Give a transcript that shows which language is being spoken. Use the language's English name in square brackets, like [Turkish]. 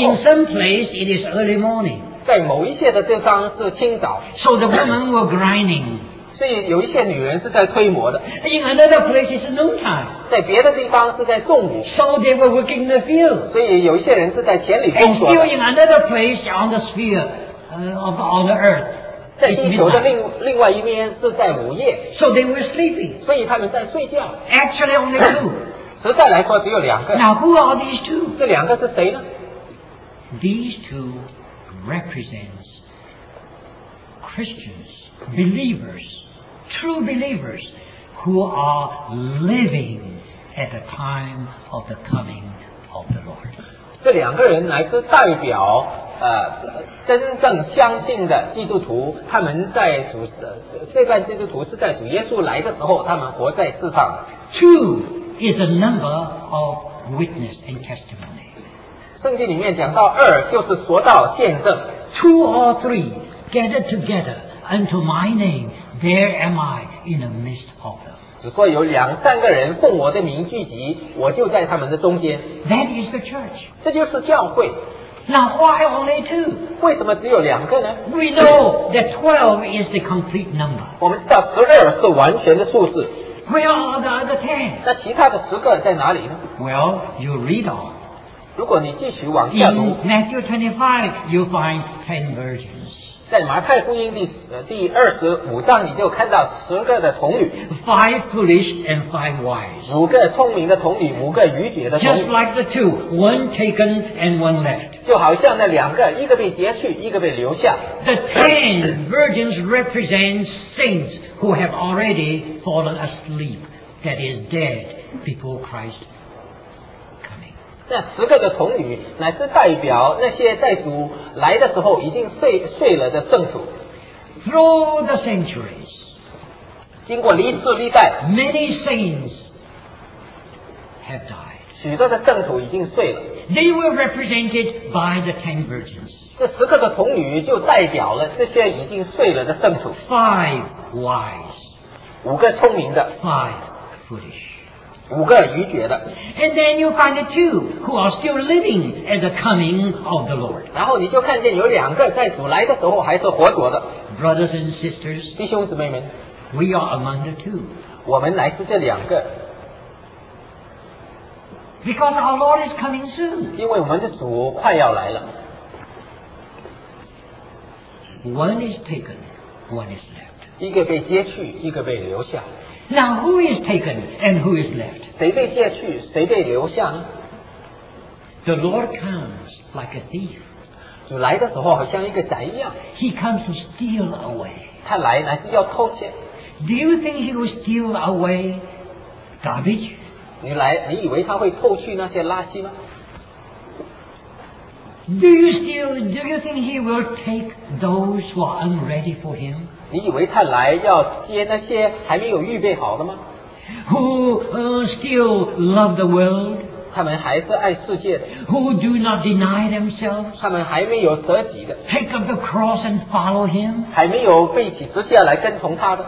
[English] In some place, it is early morning. [Chinese] 在某一些的地方是清早。 [English] So the women were grinding. [Chinese] 所以有一些女人是在推磨的。 [English] In another place, it's noon time. [Chinese] 在别的地方是在中午。 [English] So they were working the field. [Chinese] 所以有一些人是在田里工作。 [English] And still in another place on the sphere. Of the earth. [Chinese] 在地球的另外一边是在午夜。 [English] So they were sleeping. [Chinese] 所以他们在睡觉。 [English] Actually only two. [Chinese] 实在来说只有两个。 [English] Now who are these two? [Chinese] 这两个是谁呢？ [English] These two represents Christians, believers, true believers, who are living at the time of the coming of the Lord. [Chinese] 这两个人来自代表真正相信的基督徒，他们在主这段基督徒是在主耶稣来的时候，他们活在世上。 [English] Two is a number of witness and testimony. [Chinese] 圣经里面讲到二就是说到见证。 [English] Two or three gathered together unto my name, there am I in the midst of them. [Chinese] 只说有两三个人奉我的名聚集，我就在他们的中间。 [English] That is the church. [Chinese] 这就是教会。 [English] Now why only two? [Chinese] 为什么只有两个呢？ [English] We know that 12 is the complete number. [Chinese] 我们知道12是完全的数字。 [English] Where are the other 10? [Chinese] 那其他的10个在哪里呢？ [English] Well, you read on. [Chinese] 如果你继续往下读。 [English] In Matthew 25, you find 10 virgins. [Chinese] 在马太福音第25章你就看到10个的童女。 [English] 5 foolish and 5 wise. [Chinese] 5个聪明的童女，5个愚拙的童女。 [English] Just like the two, one taken and one left. [Chinese] 就好像那两个，一个被截去，一个被留下。 [English] The ten virgins represent saints who have already fallen asleep, that is dead before Christ coming. [Chinese] 那十个的童女乃是代表那些在主来的时候已经睡了的圣徒。 [English] Through the centuries, [Chinese] 经过历世历代 [English] ，many saints have died. [Chinese] 许多的圣徒已经睡了。 [English] They were represented by the ten virgins. [Chinese] 这十个的童女就代表了这些已经睡了的圣徒。 [English] Five wise. [Chinese] 五个聪明的。 [English] Five foolish. [Chinese] 五个愚拙的。 [English] And then you find the two who are still living at the coming of the Lord. [Chinese] 然后你就看见有两个在主来的时候还是活着的。 [English] Brothers and sisters. [Chinese] 弟兄姊妹们。 [English] We are among the two. [Chinese] 我们来自这两个。 [English] Because our Lord is coming soon. [Chinese] 因为我们的主快要来了。 [English] One is taken, one is left. [Chinese] 一个被接去，一个被留下。 [English] Now who is taken and who is left? [Chinese] 谁被接去，谁被留下呢？ [English] The Lord comes like a thief. [Chinese] 主来的时候好像一个贼一样。 [English] He comes to steal away. [Chinese] 他来乃是要偷窃。 [English] Do you think he will steal away garbage? [Chinese] 你以为他会偷去那些垃圾吗？ [English] Do you think he will take those who are unready for him? [Chinese] 你以为他来要接那些还没有预备好的吗？ [English] Who still love the world? [Chinese] 他们还是爱世界的。 [English] Who do not deny themselves? [Chinese] 他们还没有舍己的。 [English] Take up the cross and follow him? [Chinese] 还没有背起十字架来跟从他的。